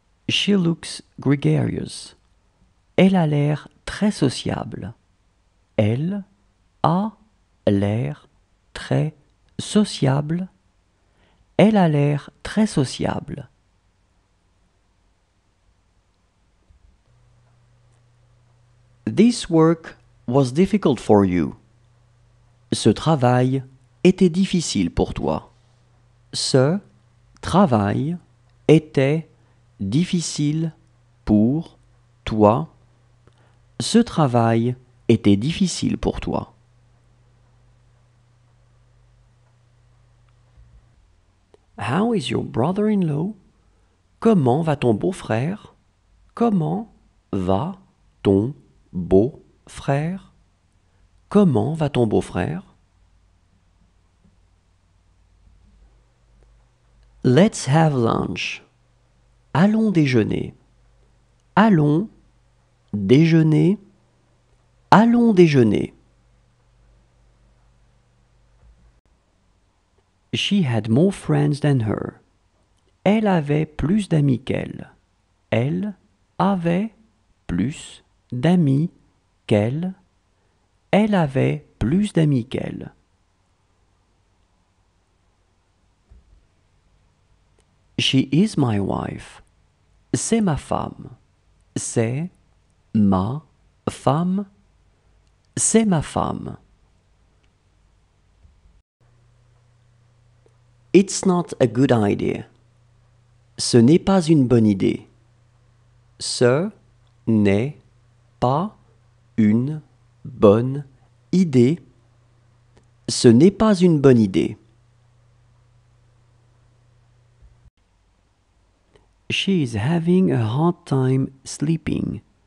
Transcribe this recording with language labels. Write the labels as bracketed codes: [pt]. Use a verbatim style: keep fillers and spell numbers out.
[en] She looks gregarious. [fr] Elle a l'air très sociable. Elle a l'air très sociable. Elle a l'air très sociable. [en] This work was difficult for you. [fr] Ce travail était difficile pour toi. Ce travail était difficile pour toi. Ce travail était difficile pour toi. [en] How is your brother-in-law? [fr] Comment va ton beau-frère? Comment va ton beau-frère? Comment va ton beau-frère? [en] Let's have lunch. [fr] Allons déjeuner. Allons déjeuner. Allons déjeuner. [en] She had more friends than her. [fr] Elle avait plus d'amis qu'elle. Elle avait plus d'amis qu'elle. Elle avait plus d'amis qu'elle. [en] She is my wife. [fr] C'est ma femme. C'est ma femme. C'est ma femme. [en] It's not a good idea. [fr] Ce n'est pas une bonne idée. Ce n'est pas une bonne idée. Ce n'est pas une bonne idée. [en] She is having a hard time sleeping.